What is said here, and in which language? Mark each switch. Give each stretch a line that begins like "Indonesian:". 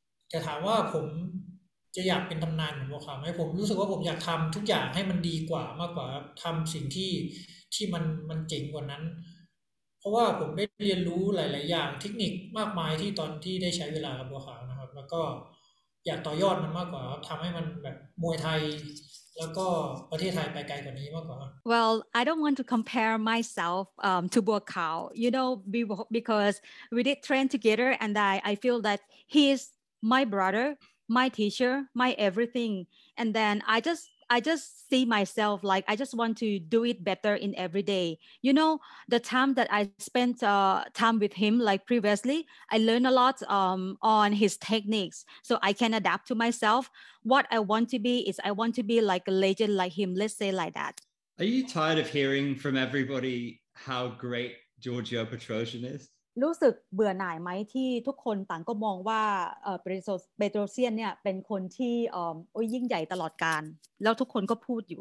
Thai: แต่ถามว่าผมจะอยากเป็นตำนานเหมือนบัวขาวไหมผมรู้สึกว่าผมอยากทําทุกอย่างให้มันดีกว่ามากกว่าทําสิ่งที่มันเจ๋งกว่านั้นเพราะว่าผมได้เรียนรู้หลายๆอย่างเทคนิคมากมายที่ตอนที่ได้ใช้เวลากับบัวขาวนะครับแล้วก็อยากต่อยอดมันมากกว่าทำให้มันแบบมวยไทยแล้วก็ประเทศไทยไปไกลกว่านี้มากกว่า
English: Well, I don't want to compare myself to Bua Khao, you know, because we did train together and I feel that he is my brother, my teacher, my everything. And then I just see myself like I just want to do it better in every day. You know, the time that I spent time with him like previously, I learned a lot on his techniques so I can adapt to myself. What I want to be is I want to be like a legend like him. Let's say like that. Are you tired of hearing from everybody how great Giorgio Petrosian is?
Thai: รู้สึกเบื่อหน่ายไหมที่ทุกคนต่างก็มองว่าเปโตรเซียนเนี่ยเป็นคนที่โอ้ยยิ่งใหญ่ตลอดกาลแล้วทุกคนก็พูดอยู